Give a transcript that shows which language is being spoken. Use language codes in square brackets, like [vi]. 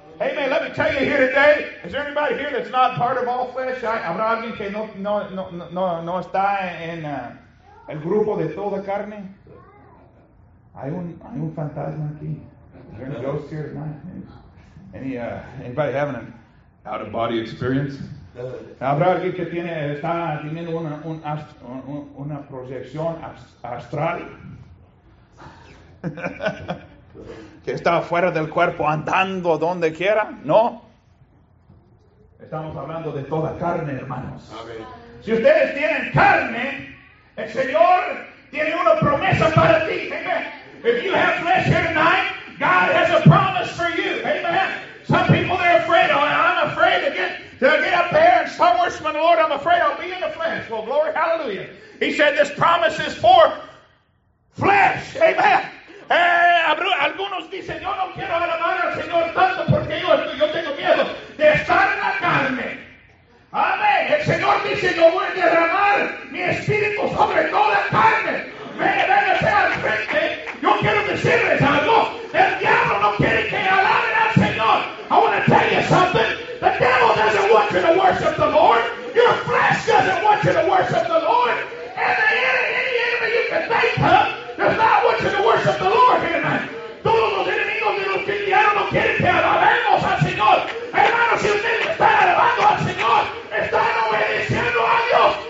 [en] Hey, man, let me tell you here today. Is there anybody here that's not part of all flesh? [es] ¿Habrá alguien que no está en el grupo de toda carne? Hay un fantasma aquí. [en] Is there any ghost here tonight? Anybody having an out-of-body experience? [es] ¿Habrá alguien que está teniendo una proyección astral? ¿Que está fuera del cuerpo andando donde quiera? No. Estamos hablando de toda carne, hermanos. Amén. Si ustedes tienen carne, el Señor tiene una promesa para ti. Amen. [en] If you have flesh here tonight, God has a promise for you. Amen. Some people, they're afraid. I'm afraid to get up there and start worshiping the Lord. I'm afraid I'll be in the flesh. Well, glory, hallelujah. He said this promise is for flesh. Amen. [es] Algunos dicen, yo no quiero alabar al Señor tanto porque yo tengo miedo de estar en la carne. Amén. El Señor dice, yo voy a derramar mi espíritu sobre toda carne. Ven hacia el frente. Yo quiero decirles algo. El diablo no quiere que alaben al Señor. [en] I want to tell you something. The devil doesn't want you to worship the Lord. Your flesh doesn't want you to worship the Lord. And any enemy you can think of does not want you to worship the Lord here tonight. [es] Todos los enemigos de los cristianos no quieren que alabemos al Señor. Hermanos, si ustedes están alabando al Señor, están obedeciendo a Dios.